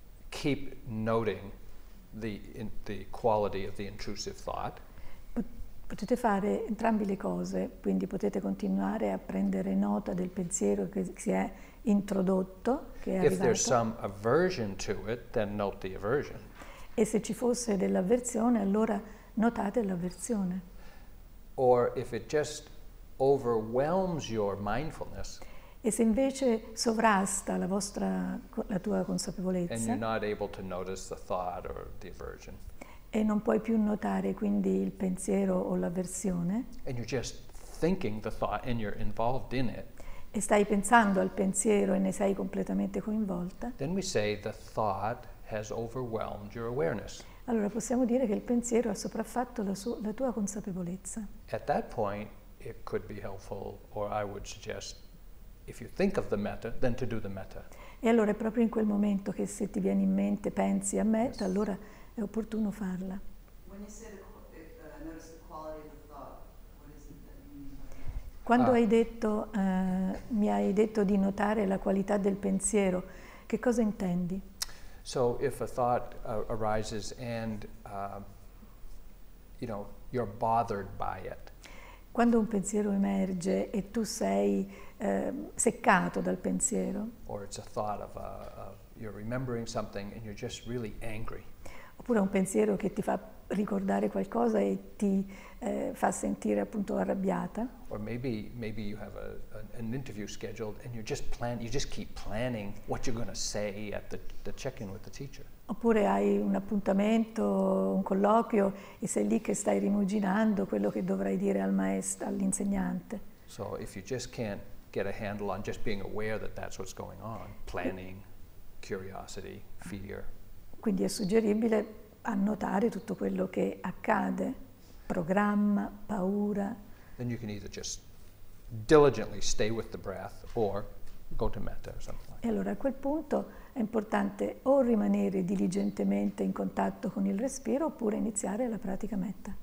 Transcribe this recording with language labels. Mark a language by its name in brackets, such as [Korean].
[English] Keep noting the quality of the intrusive thought. [Italian] Potete fare entrambi le cose, quindi potete continuare a prendere nota del pensiero che si è introdotto, che è arrivato. [English] If there's some aversion to it, then note the aversion. [Italian] E se ci fosse dell'avversione, allora notate l'avversione. [English] Or if it just overwhelms your mindfulness. [Italian] E se invece sovrasta la vostra la tua consapevolezza. [English] And you're not able to notice the thought or the aversion. [Italian] E non puoi più notare quindi il pensiero o l'avversione. [English] And you're just thinking the thought and you're involved in it. [Italian] E stai pensando al pensiero e ne sei completamente coinvolta. [English] Then we say the thought has overwhelmed your awareness. [Italian] Allora possiamo dire che il pensiero ha sopraffatto la tua consapevolezza. [English] At that point it could be helpful, or I would suggest, if you think of the metta, then to do the metta. [Italian] E allora è proprio in quel momento che se ti viene in mente, pensi a metta, yes. Allora è opportuno farla. [English] When you say notice the quality of the thought, what is it that you mean? [Italian] Quando hai detto, mi hai detto di notare la qualità del pensiero, che cosa intendi? [English] So if a thought arises and, you know, you're bothered by it. [Italian] Quando un pensiero emerge e tu sei seccato dal pensiero. [English] Or it's a thought of you're remembering something and you're just really angry. [Italian] Oppure un pensiero che ti fa ricordare qualcosa e ti fa sentire appunto arrabbiata. [English] Or maybe you have an interview scheduled and you just keep planning what you're going to say at the check-in with the teacher. [Italian] Oppure hai un appuntamento, un colloquio e sei lì che stai rimuginando quello che dovrai dire al maestro, all'insegnante. [English] So if you just can't get a handle on just being aware that that's what's going on, planning, curiosity, fear. [Italian] Quindi è suggeribile annotare tutto quello che accade, programma, paura. [English] Then you can either just diligently stay with the breath or go to metta or something like that. [Italian] E allora a quel punto è importante o rimanere diligentemente in contatto con il respiro oppure iniziare la pratica metta.